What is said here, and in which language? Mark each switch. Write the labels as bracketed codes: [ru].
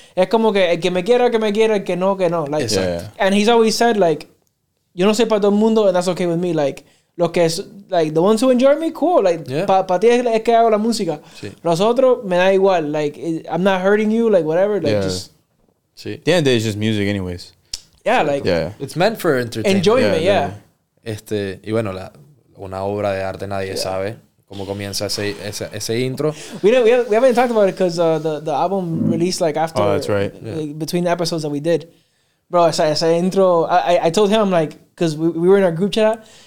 [es] Es como que el que me quiera, el que no, que no. [en] Like, and he's always said, like, [es] yo no soy para todo el mundo, [en] and that's okay with me, like, [es] los que es, [en] like, the ones who enjoy me, cool. Like, [es] para ti es que hago la música. Sí. Los otros, me da igual. [en] Like, I'm not hurting you, like, whatever. Like, just. [es] Sí. [en] The end of the day is just music, anyways. Yeah, like. Yeah. It's meant for entertainment. Enjoyment, [es] Este, y bueno, una obra de arte nadie sabe cómo comienza ese intro. [en] We haven't talked about it because the album released, like, after. Oh, that's right. Between the episodes that we did. Bro, [es] ese intro. [en] I told him, like, because we were in our group chat.